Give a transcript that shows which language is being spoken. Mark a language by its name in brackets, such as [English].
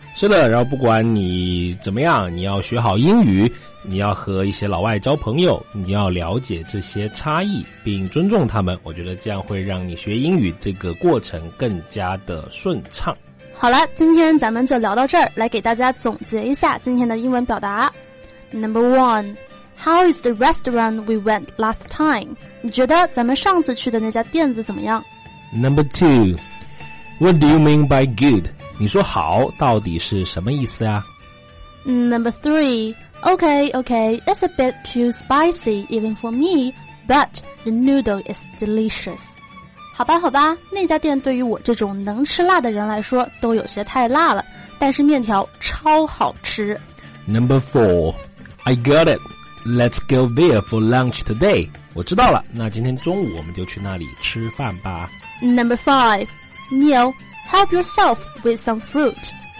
[Chinese] 是的，然后不管你怎么样，你要学好英语，你要和一些老外交朋友，你要了解这些差异并尊重他们，我觉得这样会让你学英语这个过程更加的顺畅。好了，今天咱们就聊到这儿，来给大家总结一下今天的英文表达。 [English] Number one,How is the restaurant we went last time? [Chinese] 你觉得咱们上次去的那家店子怎么样？ [English] Number two, what do you mean by good? [Chinese] 你说好到底是什么意思啊？ [English] Number three, okay, it's a bit too spicy even for me, but the noodle is delicious. [Chinese] 好吧，那家店对于我这种能吃辣的人来说都有些太辣了，但是面条超好吃。 [English] Number four, I got it. Let's go there for lunch today. [Chinese] 我知道了，那今天中午我们就去那里吃饭吧。 [English] Number five, Neil, help yourself with some fruit.